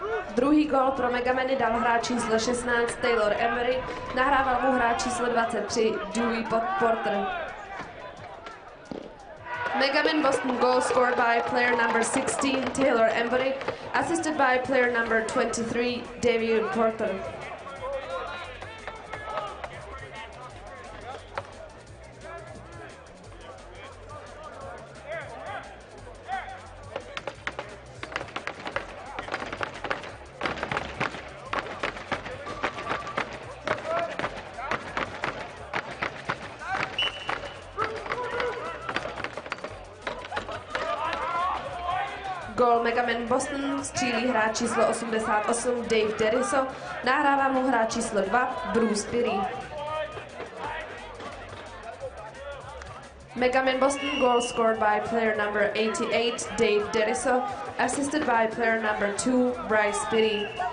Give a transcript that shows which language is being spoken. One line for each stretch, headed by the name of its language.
Czech: Druhý gól pro Megameny dal hráč číslo 16 Taylor Emery, nahrával mu hráč číslo 23 Dewey Porter.
English: Megamen Boston goal scored by player number 16 Taylor Emery, assisted by player number 23 Dewey Porter.
Czech: Gól Megamen Boston střílí hráč číslo 88 Dave Derriso, nahrává mu hráč číslo 2 Bruce Pirý.
English: Megamen Boston goal scored by player number 88 Dave Derriso, assisted by player number 2 Bryce Pirý.